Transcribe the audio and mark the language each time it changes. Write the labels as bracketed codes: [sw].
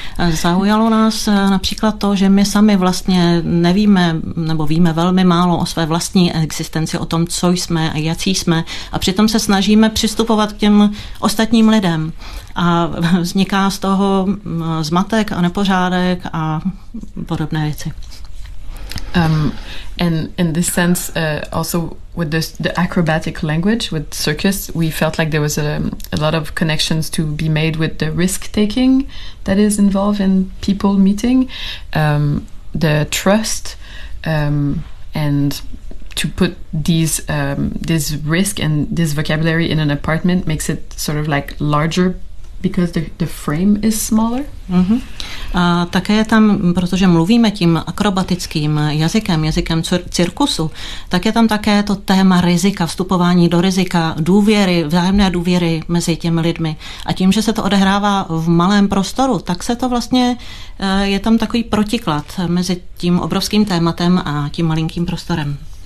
[cs] Zaujalo nás například to, že my sami vlastně nevíme, nebo víme velmi málo o své vlastní existenci, o tom, co jsme a jací jsme, a přitom se snažíme přistupovat k těm ostatním lidem. A vzniká z toho zmatek a nepořádek a podobné věci. [en] And in this sense, also with this, the acrobatic language, with circus, we felt like there was a lot of connections to be made with the risk-taking that is involved in people meeting, the trust, and to put these this risk and this vocabulary in an apartment makes it sort of like larger, because the frame is smaller. [cs] A také je tam, protože mluvíme tím akrobatickým jazykem, jazykem cirkusu, tak je tam také to téma rizika, vstupování do rizika, důvěry, vzájemné důvěry mezi těmi lidmi. A tím, že se to odehrává v malém prostoru, tak se to vlastně, je tam takový protiklad mezi tím obrovským tématem a tím malinkým prostorem.